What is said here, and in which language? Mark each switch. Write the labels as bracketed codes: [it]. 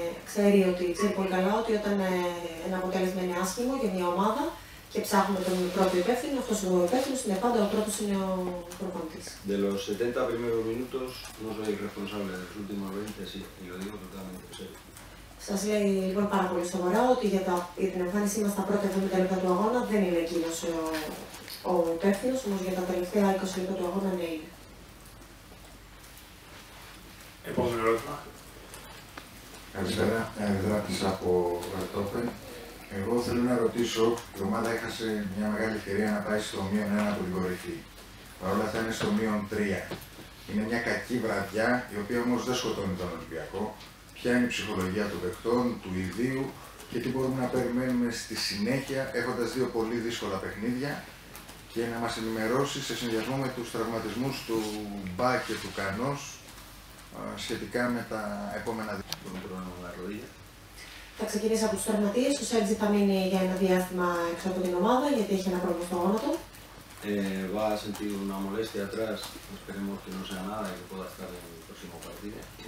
[el] Ξέρει πολύ καλά ότι όταν ένα αποτέλεσμα είναι άσχημο για μια ομάδα και ψάχνουμε τον πρώτο υπεύθυνο, αυτός ο υπεύθυνος είναι πάντα ο πρώτος είναι ο προπονητής. [es] De los 70 primeros minutos no soy responsable, de los últimos 20 sí, y lo digo totalmente serio. [el] Σας λέει λοιπόν πάρα πολύ σοβαρά ότι για την εμφάνισή μας τα πρώτα 70 λεπτά του αγώνα δεν είναι εκείνος ο υπεύθυνος, όμως για τα τελευταία 20 λεπτά του αγώνα ναι είναι. Επόμενο ερώτημα. Καλησπέρα, Δράτης από Ρατόπεν. Εγώ θέλω να ρωτήσω, η ομάδα έχασε μια μεγάλη ευκαιρία να πάει στο -1 από την κορυφή. Παρ' όλα αυτά είναι στο -3. Είναι μια κακή βραδιά, η οποία όμως δεν σκοτώνει τον Ολυμπιακό. Ποια είναι η ψυχολογία των παιχτών, του ιδίου και τι μπορούμε να περιμένουμε στη συνέχεια έχοντας δύο πολύ δύσκολα παιχνίδια και να μας ενημερώσει σε συνδυασμό με τους τραυματισμούς του Μπά και του Κανός σχετικά με τα επόμενα δύσκολα. Θα ξεκινήσω από τους τραυματίες. Ο Σέρτζι θα μείνει για ένα διάστημα έξω από την ομάδα γιατί έχει ένα πρόβλημα στο γόνατο. [es] Va a sentir una molestia atrás, esperemos que no sea nada y que pueda estar en el próximo partido.